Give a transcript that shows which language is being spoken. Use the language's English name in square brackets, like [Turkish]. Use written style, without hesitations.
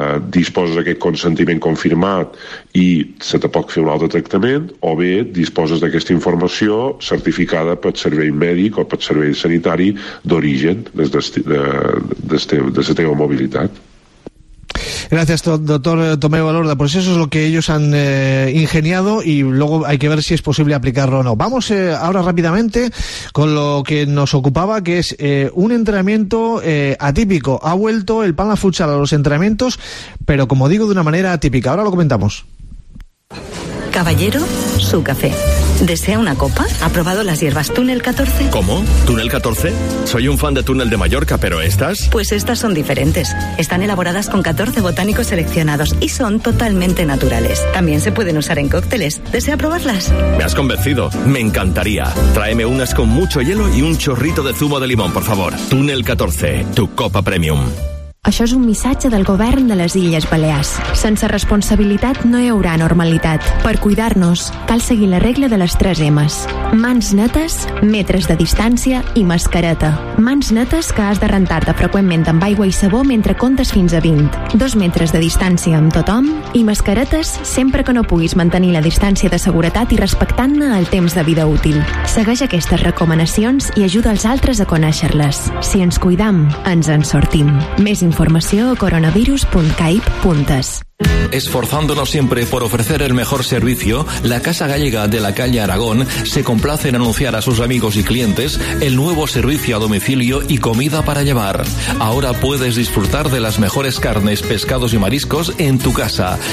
[Catalan] disposes d'aquest consentiment confirmat i se te pot fer un altre tractament, o bé disposes d'aquesta informació certificada pel servei mèdic o pel servei sanitari d'origen de la teva mobilitat. [Spanish] Gracias, doctor Tomé Valorda. Pues eso es lo que ellos han ingeniado y luego hay que ver si es posible aplicarlo o no. Vamos ahora rápidamente con lo que nos ocupaba, que es un entrenamiento atípico. Ha vuelto el Palma Futsal a los entrenamientos, pero como digo, de una manera atípica. Ahora lo comentamos. Caballero, su café. ¿Desea una copa? ¿Ha probado las hierbas Túnel 14? ¿Cómo? ¿Túnel 14? Soy un fan de Túnel de Mallorca, pero ¿estas? Pues estas son diferentes. Están elaboradas con 14 botánicos seleccionados y son totalmente naturales. También se pueden usar en cócteles. ¿Desea probarlas? Me has convencido. Me encantaría. Tráeme unas con mucho hielo y un chorrito de zumo de limón, por favor. Túnel 14, tu copa premium. [Catalan] Això és un missatge del govern de les Illes Balears. Sense responsabilitat no hi haurà normalitat. Per cuidar-nos, cal seguir la regla de les 3 M's. Mans netes, metres de distància i mascareta. Mans netes que has de rentar-te freqüentment amb aigua i sabó mentre comptes fins a 20. 2 metres de distància amb tothom i mascaretes sempre que no puguis mantenir la distància de seguretat i respectant-ne el temps de vida útil. Segueix aquestes recomanacions i ajuda els altres a conèixer-les. Si ens cuidam, ens en sortim. Més informació a coronavirus.caip.es. [Spanish] Esforzándonos siempre por ofrecer el mejor servicio, la Casa Gallega de la calle Aragón se complace en anunciar a sus amigos y clientes el nuevo servicio a domicilio y comida para llevar. Ahora puedes disfrutar de las mejores carnes, pescados y mariscos en tu casa.